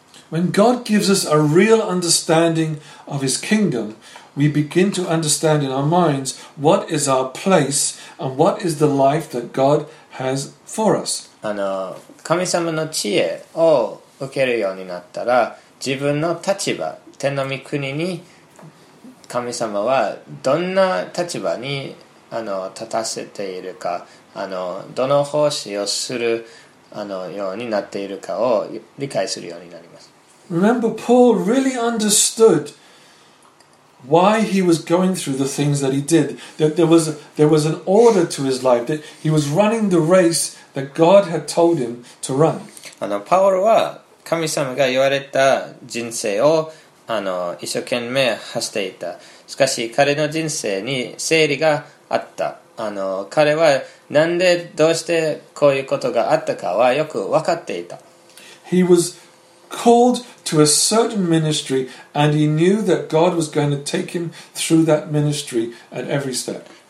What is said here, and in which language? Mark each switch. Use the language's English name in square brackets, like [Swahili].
[English] When God gives us a real understanding of His kingdom, we begin to understand in our minds what is our place and what is the life that God has for us. [Japanese] 神様の知恵を受けるようになったら、自分の立場、天の御国に神様はどんな立場に立たせているか、どの奉仕をするようになっているかを理解するようになります。 [English] Remember, Paul really understood why he was going through the things that he did. That there was an order to his life. That he was running the race that God had told him to run. [Japanese] パウロは神様が言われた人生を一生懸命走っていた。しかし彼の人生に整理があった。彼はなんでどうしてこういうことがあったかはよく分かっていた。 [English] He wascalled to a certain ministry and he knew that God was going to take him through that ministry at every step.